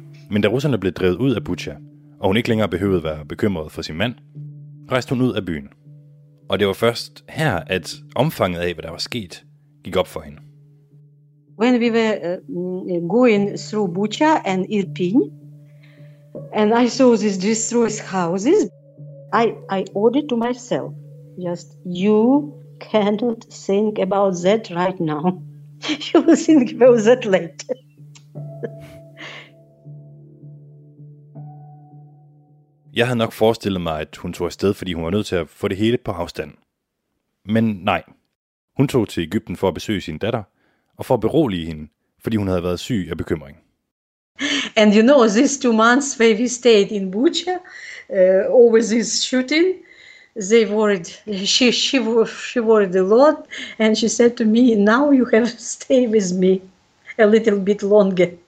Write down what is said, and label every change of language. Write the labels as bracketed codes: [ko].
[da] Men da russerne blev drevet ud af Butja, og hun ikke længere behøvede være bekymret for sin mand, rejste hun ud af byen. Og det var først her, at omfanget af, hvad der var sket, gik op for hende. [en] When we were going through Butja and Irpin, and I saw these destroyed houses, I ordered to myself, just you cannot think about that right now. You will think about that later. [da] Jeg havde nok forestillet mig, at hun tog afsted, fordi hun var nødt til at få det hele på afstand. Men nej. Hun tog til Egypten for at besøge sin datter, og for at berolige hende, fordi hun havde været syg af bekymring. [en] And you know, these 2 months where we stayed in Butja, over this shooting, they worried, she worried a lot, and she said to me, now you have to stay with me a little bit longer.